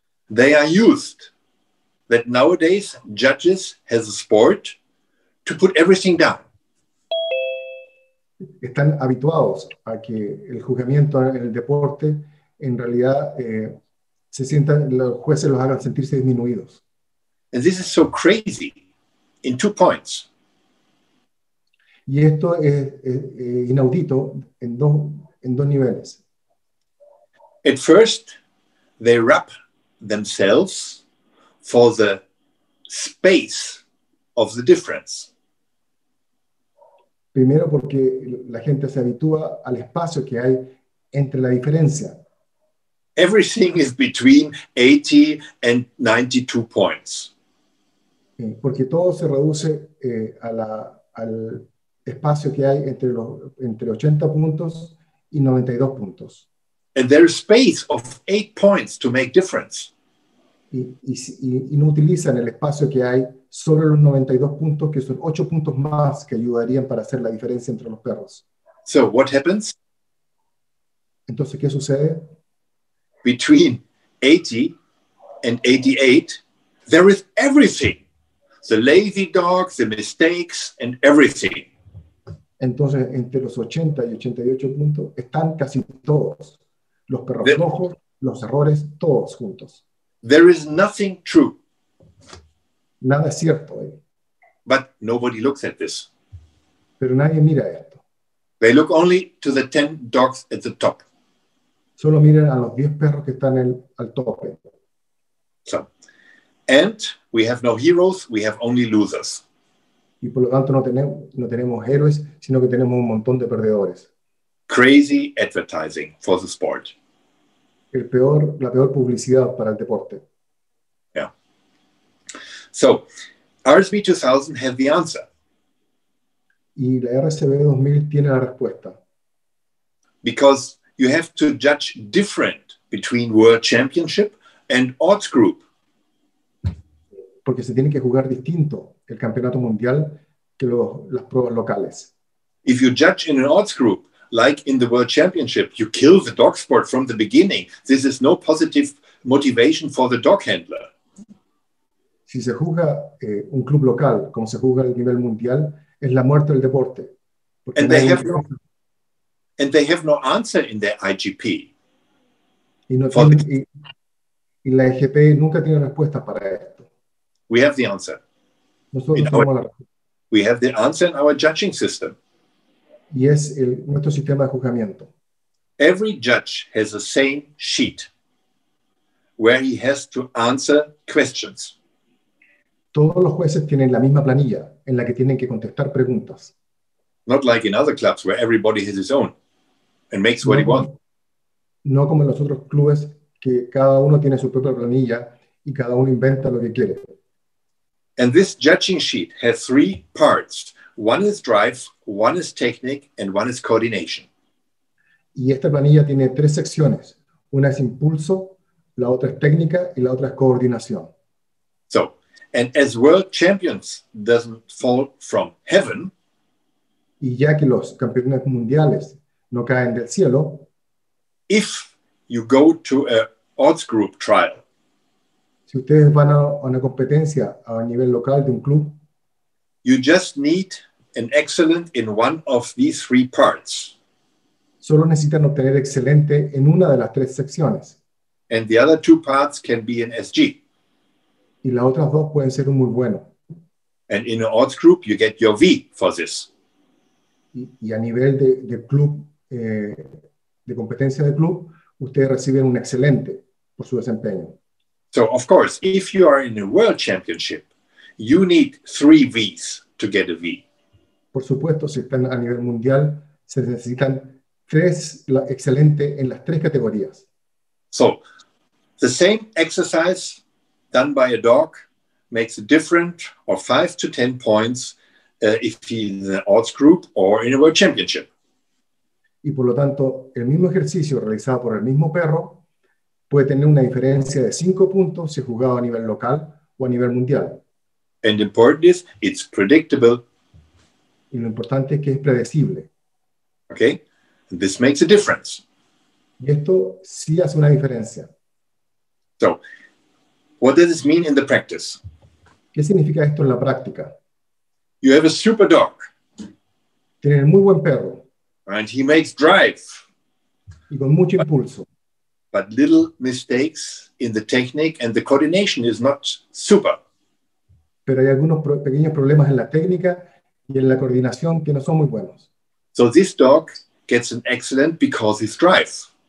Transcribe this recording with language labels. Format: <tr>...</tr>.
<en>They are used that nowadays judges has a sport to put everything down.</en> <es>Están habituados a que el juzgamiento en el deporte en realidad se sientan, los jueces los hagan sentirse disminuidos.</es> <en>And this is so crazy in two points.</en> <es>Y esto es inaudito en dos niveles.</es> <en>At first, they wrap themselves for the space of the difference.</en> <es>Primero porque la gente se habitúa al espacio que hay entre la diferencia.</es> <en>Everything is between 80 and 92 points.</en> <es>Porque todo se reduce al espacio que hay entre 80 puntos y 92 puntos.</es> <en>And there is space of 8 points to make difference.</en> <es>Y no utilizan el espacio que hay, solo los 92 puntos, que son 8 puntos más que ayudarían para hacer la diferencia entre los perros.</es> <en>So what happens?</en> <es>Entonces, ¿qué sucede?</es> <en>Between 80 and 88, there is everything. The lazy dog, the mistakes, and everything.</en> <es>Entonces, entre los 80 y 88 puntos, están casi todos. Los perros rojos, los errores, todos juntos.</es> <en>There is nothing true.</en> <es>Nada es cierto.</es> <en>But nobody looks at this.</en> <es>Pero nadie mira esto.</es> <en>They look only to the 10 dogs at the top.</en> <es>Solo miran a los 10 perros que están al tope.</es> <en>So, and we have no heroes, we have only losers.</en> <es>Y por lo tanto no tenemos héroes, sino que tenemos un montón de perdedores.</es> <en>Crazy advertising for the sport.</en> <es>La peor publicidad para el deporte.</es> <en>Yeah. So, RSV 2000 has the answer.</en> <es>Y la RSV 2000 tiene la respuesta.</es> <en>Because you have to judge different between world championship and odds group.</en> <es>Porque se tiene que jugar distinto el campeonato mundial que las pruebas locales.</es> <en>If you judge in an odds group, like in the world championship, you kill the dog sport from the beginning. This is no positive motivation for the dog handler.</en> <es>Si se juzga un club local, como se juzga a nivel mundial, es la muerte del deporte.</es> <en>And they have no answer in their IGP.</en> <es>Y la IGP nunca tiene respuesta para esto.</es> <en>We have the answer. We have the answer in our judging system.</en> <es>Y es nuestro sistema de juzgamiento.</es> <en>Every judge has the same sheet where he has to answer questions.</en> <es>Todos los jueces tienen la misma planilla en la que tienen que contestar preguntas.</es> <en>Not like in other clubs where everybody has his own and makes what he wants.</en> <es>No como en los otros clubes que cada uno tiene su propia planilla y cada uno inventa lo que quiere.</es> <en>And this judging sheet has 3 parts. One is drive, one is technique, and one is coordination.</en> <es>Y esta planilla tiene 3 secciones. Una es impulso, la otra es técnica, y la otra es coordinación.</es> <en>So, and as world champions doesn't fall from heaven,</en> <es>y ya que los campeones mundiales no caen del cielo,</es> <en>if you go to an odds group trial,</en> <es>si ustedes van a una competencia a nivel local de un club,</es> <en>you just need an excellent in one of these 3 parts.</en> <es>Solo necesitan obtener excelente en una de las 3 secciones.</es> <en>And the other 2 parts can be an SG.</en> <es>Y las otras 2 pueden ser un muy bueno.</es> <en>And in an odds group, you get your V for this.</en> <es>Y a nivel de club, de competencia de club, ustedes reciben un excelente por su desempeño.</es> <en>So, of course, if you are in a world championship, you need 3 V's to get a V.</en> <es>Por supuesto, si están a nivel mundial, se necesitan 3 excelente en las 3 categorías.</es> <en>So, the same exercise done by a dog makes a different or 5 to 10 points if in the odds group or in a world championship.</en> <es>Y por lo tanto, el mismo ejercicio realizado por el mismo perro puede tener una diferencia de 5 puntos si jugado a nivel local o a nivel mundial.</es> <en>And important is, it's predictable.</en> <es>Y lo importante es que es predecible.</es> <en>Okay? And this makes a difference.</en> <es>Y esto sí hace una diferencia.</es> <en>So, what does this mean in the practice?</en> <es>¿Qué significa esto en la práctica?</es> <en>You have a super dog.</en> <es>Tiene muy buen perro.</es> <en>And he makes drive.</en> <es>Y con mucho impulso.</es> <en>But little mistakes in the technique and the coordination is not super.</en> <es>Pero hay algunos pequeños problemas en la técnica y en la coordinación que no son muy buenos.</es> <en>So this dog gets an excellent because he drives.</en>